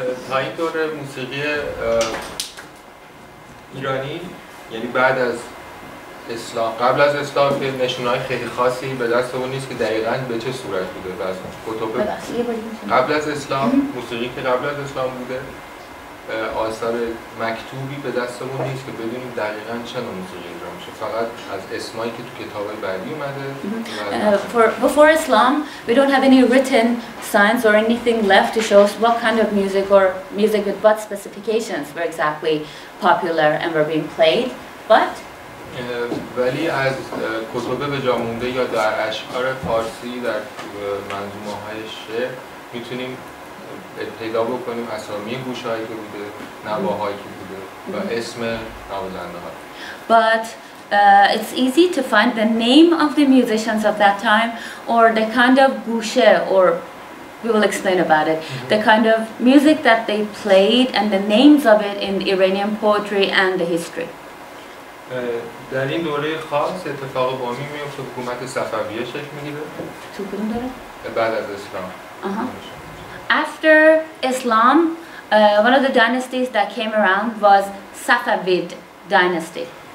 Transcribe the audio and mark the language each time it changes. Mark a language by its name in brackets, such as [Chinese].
[Persian] تا این دوره موسیقی ایرانی یعنی بعد از اسلام قبل از اسلام که نشونهای خیلی خاصی به دست اون نیست که دقیقاً به چه صورت بوده و از کتب قبل از اسلام موسیقی که قبل از اسلام بوده آثار مکتوبی به دستمون نیست که بدونیم دقیقاً چه نوع موسیقی اجرا میشه فقط از اسمایی که تو کتابای بعدی اومده [English] Before Islam we don't have any written signs or anything left to show us what kind of music or music with what specifications were exactly popular and were being played but [Persian] ولی از کتب به جا مونده یا در اشعار فارسی در منظومه‌های شعر میتونیم پیدا بکنیم اسامی گوشهایی که بوده نواهایی که بوده و اسم نوازنده ها [English] But it's easy to find the name of the musicians of that time or the kind of گوشه or We will explain about it. Mm-hmm. The kind of music that they played and the names of it in Iranian poetry and the history. [Persian] در این دوره خاص اتفاق بامی میفته حکومت صفویه شکل میگیره. تو کدوم دوره؟ بعد از اسلام. [English] After Islam, one of the dynasties that came around was Safavid dynasty.